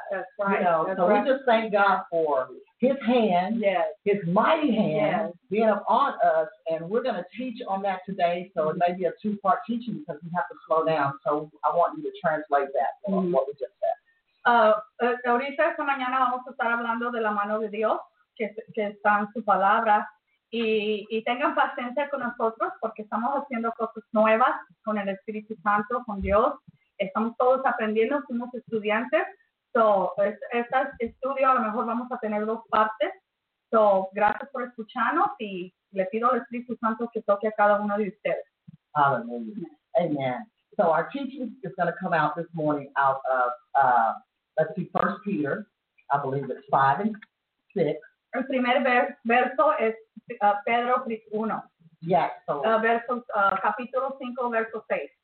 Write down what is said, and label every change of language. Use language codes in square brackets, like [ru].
[en] That's right. You know, that's so right. We just thank God for his hand, his mighty hand being on us, and we're going to teach on that today, so it may be a two-part teaching because we have to slow down, so I want you to translate that, what we just said. [es] Ahorita esta mañana vamos a estar hablando de la mano de Dios, que está en su palabra, y tengan paciencia con nosotros, porque estamos haciendo cosas nuevas con el Espíritu Santo, con Dios, estamos todos aprendiendo, somos estudiantes. So, este estudio a lo mejor vamos a tener dos partes. So, gracias por escucharnos y le pido al Espíritu Santo que toque a cada uno de ustedes. [en] Hallelujah. Amen. So, our teaching is going to come out this morning out of, let's see, 1 Peter, I believe it's 5 and 6. [es] El primer verso es Pedro 1. [en] Yes. So. [es] Verso, capítulo 5, verso 6.